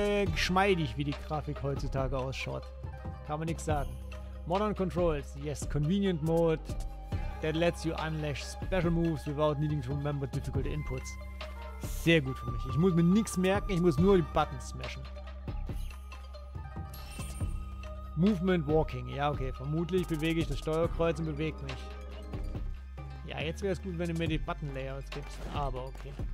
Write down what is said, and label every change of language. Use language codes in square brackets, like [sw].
[de] Geschmeidig, wie die Grafik heutzutage ausschaut. Kann man nichts sagen. [en] Modern Controls, yes, Convenient Mode. That lets you unleash special moves without needing to remember difficult inputs. [de] Sehr gut für mich. Ich muss mir nichts merken, ich muss nur die Buttons smashen. [en] Movement Walking. [de] Ja, okay. Vermutlich bewege ich das Steuerkreuz und bewege mich. Ja, jetzt wäre es gut, wenn du mir die Button Layouts gibst. Aber okay.